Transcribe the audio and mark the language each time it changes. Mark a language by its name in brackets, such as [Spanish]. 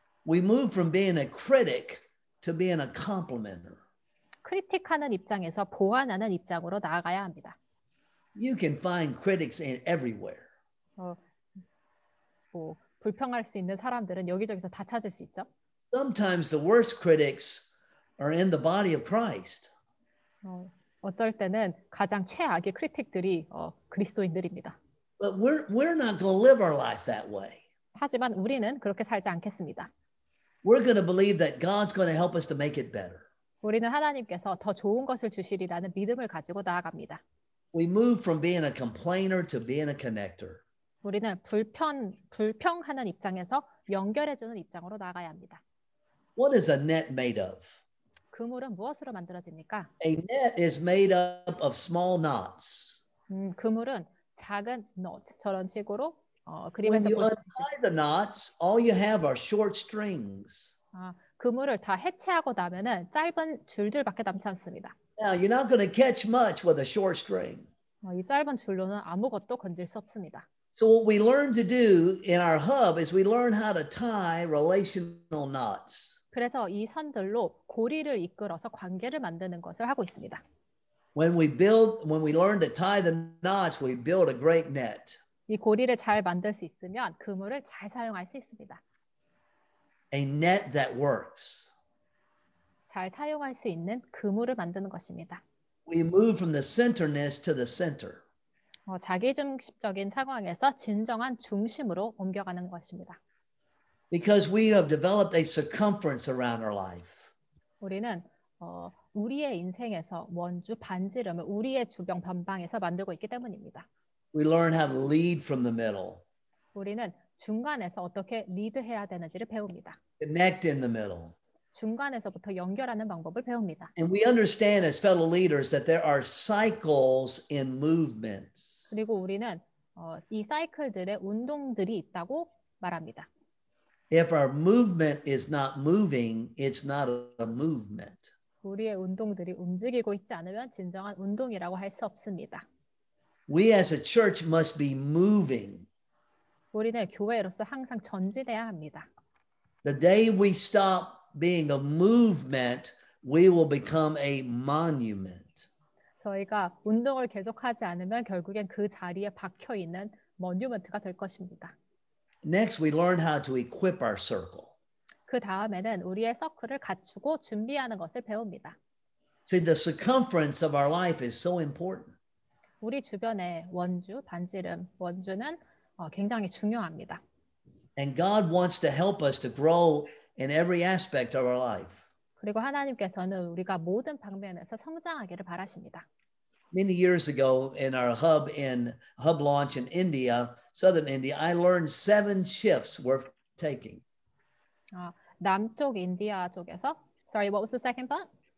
[English] We move from being a critic to being a complimenter. [Korean] 크리틱하는 입장에서 보완하는 입장으로 나아가야 합니다. [English] You can find critics in everywhere. [Korean] 불평할 수 있는 사람들은 여기저기서 다 찾을 수 있죠. [English] Sometimes the worst critics are in the body of Christ. [Korean] 어떨 때는 가장 최악의 크리틱들이 그리스도인들입니다. [English] But we're not going to live our life that way. [Korean] 하지만 우리는 그렇게 살지 않겠습니다. [English] We're going to believe that God's going to help us to make it better. [Korean] 우리는 하나님께서 더 좋은 것을 주시리라는 믿음을 가지고 나아갑니다. [English] We move from being a complainer to being a connector. [Korean] 우리는 불평하는 입장에서 연결해 주는 입장으로 나가야 합니다. [English] What is a net made of? [Korean] 그물은 무엇으로 만들어집니까? [English] A net is made up of small knots. [Korean] 그물은 작은 knot 저런 식으로 [English] When you untie the knots, all you have are short strings. [Korean] 그물을 다 해체하고 나면은 짧은 줄들밖에 남지 않습니다. [English] Now you're not going to catch much with a short string. [Korean] 이 짧은 줄로는 아무것도 건질 수 없습니다. [English] So what we learn to do in our hub is we learn how to tie relational knots. [Korean] 그래서 이 선들로 고리를 이끌어서 관계를 만드는 것을 하고 있습니다. [English] When we build, when we learn to tie the knots, we build a great net. [Korean] 이 고리를 잘 만들 수 있으면 그물을 잘 사용할 수 있습니다. [English] A net that works. [Korean] 잘 사용할 수 있는 그물을 만드는 것입니다. [English] We move from the centerness to the center. [Korean] 자기중심적인 상황에서 진정한 중심으로 옮겨가는 것입니다. [English] Because we have developed a circumference around our life. [Korean] 우리는 우리의 인생에서 원주 반지름을 우리의 주변 변방에서 만들고 있기 때문입니다. [English] We learn how to lead from the middle. [Korean] 우리는 중간에서 어떻게 리드해야 되는지를 배웁니다. [English] Connect in the middle. [Korean] 중간에서부터 연결하는 방법을 배웁니다. [English] And we understand as fellow leaders that there are cycles in movements. [Korean] 그리고 우리는 이 사이클들의 운동들이 있다고 말합니다. [English] If our movement is not moving, it's not a movement. [Korean] 우리의 운동들이 움직이고 있지 않으면 진정한 운동이라고 할 수 없습니다. [English] We as a church must be moving. [Korean] 우리는 교회로서 항상 전진해야 합니다. [English] The day we stop being a movement, we will become a monument. [Korean] 저희가 운동을 계속하지 않으면 결국엔 그 자리에 박혀 있는 모뉴먼트가 될 것입니다. [English] Next, we learn how to equip our circle. [Korean] 그 다음에는 우리의 서클을 갖추고 준비하는 것을 배웁니다. [English] See, the circumference of our life is so important. [Korean] 우리 주변의 원주, 반지름, 원주는 굉장히 중요합니다. [English] And God wants to help us to grow in every aspect of our life. [Korean] 그리고 하나님께서는 우리가 모든 방면에서 성장하기를 바라십니다. [English] Many years ago in our hub in hub launch in India, southern India, I learned 7 shifts worth taking. [Korean] 남쪽 인디아 쪽에서 [English] Sorry, what was the second part?